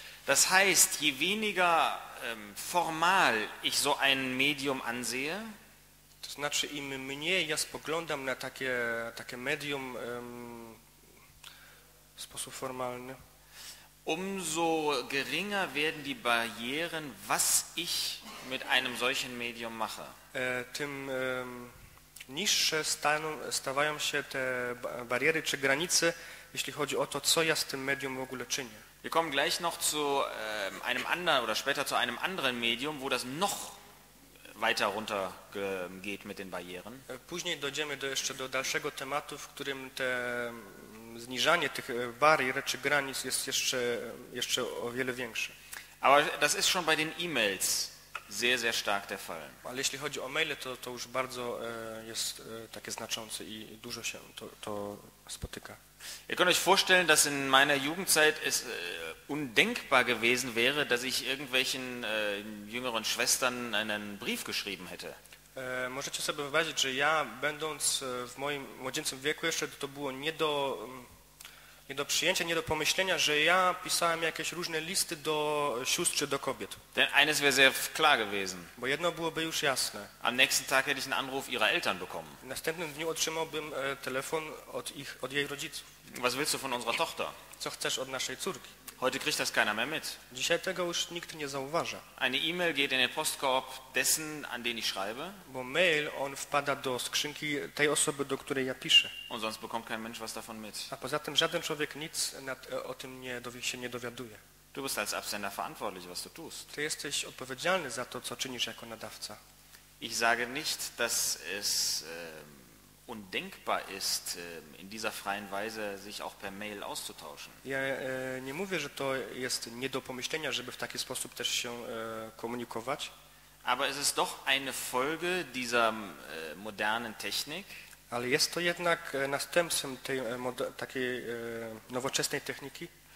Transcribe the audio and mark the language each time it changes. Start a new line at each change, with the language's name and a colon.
German: Das heißt, je weniger formal ich so ein Medium ansehe,
Polish: to znaczy, im mniej ja spoglądam na takie medium w sposób formalny,
German: umso geringer werden die Barrieren, was ich mit einem solchen Medium mache.
Polish: Tym niższe stawają się te bariery czy granice, jeśli chodzi o to, co ja z tym medium w ogóle czynię.
German: Wir kommen gleich noch zu einem anderen oder später zu einem anderen Medium, wo das noch weiter runter geht mit den Barrieren.
Polish: Później dojdziemy jeszcze do dalszego tematu, w którym te zniżanie tych barier czy granic jest jeszcze o wiele większe.
German: Aber das ist schon bei den E-Mails sehr, sehr stark der Fall.
Polish: Ale jeśli chodzi o maile, to już bardzo jest takie znaczące i dużo się to spotyka.
German: Ihr könnt euch vorstellen, dass in meiner Jugendzeit es undenkbar gewesen wäre, dass ich irgendwelchen jüngeren Schwestern einen Brief geschrieben hätte.
Polish: Możecie sobie wyobrazić, że ja, będąc w moim młodzieńczym wieku jeszcze, to było nie do przyjęcia, nie do pomyślenia, że ja pisałem jakieś różne listy do sióstr czy do kobiet.
German: Denn eines wäre sehr klar gewesen.
Polish: Bo jedno byłoby już jasne.
German: Am nächsten Tag hätte ich einen Anruf ihrer Eltern bekommen.
Polish: W następnym dniu otrzymałbym telefon od jej rodziców.
German: Was willst du von unserer Tochter?
Polish: Co chcesz od naszej córki?
German: Heute kriegt das keiner mehr mit.
Polish: Dzisiaj tego już nikt nie zauważa.
German: Eine E-Mail geht in den Postkorb dessen, an den ich schreibe.
Polish: Bo mail, on wpada do skrzynki tej osoby, do której ja piszę.
German: Und sonst bekommt kein Mensch was davon mit.
Polish: A poza tym żaden człowiek nic o tym nie dowiaduje.
German: Du bist als Absender verantwortlich, was du tust.
Polish: Ty jesteś odpowiedzialny za to, co czynisz jako nadawca.
German: Ich sage nicht, dass es undenkbar ist, in dieser freien Weise sich auch per Mail auszutauschen.
Polish: Ja nie mówię, że to jest nie do pomyślenia, żeby w taki sposób też się komunikować.
German: Aber es ist doch eine Folge dieser modernen Technik.
Polish: Ale jest to jednak następstwem tej takiej nowoczesnej techniki.